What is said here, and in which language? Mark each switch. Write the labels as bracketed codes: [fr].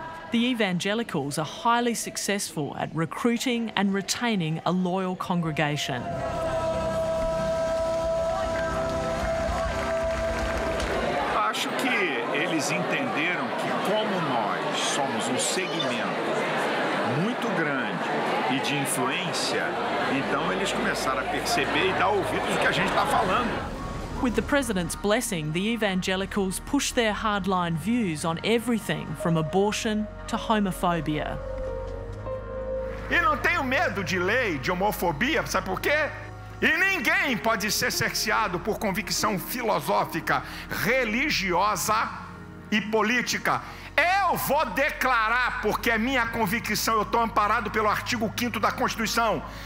[en] The evangelicals are highly successful at recruiting and retaining a loyal congregation. [pt] Acho que eles entenderam que como nós somos segmento muito grande e de influência, então eles começaram a perceber e dar ouvidos do que a gente está falando. [en] With the president's blessing, the evangelicals push their hardline views on everything from abortion to homophobia. [pt] E não tenho medo de lei de homofobia, sabe por quê? E ninguém pode ser cerceado por convicção filosófica, religiosa e política. Eu vou declarar, porque é minha convicção, eu estou amparado pelo artigo 5º da Constituição.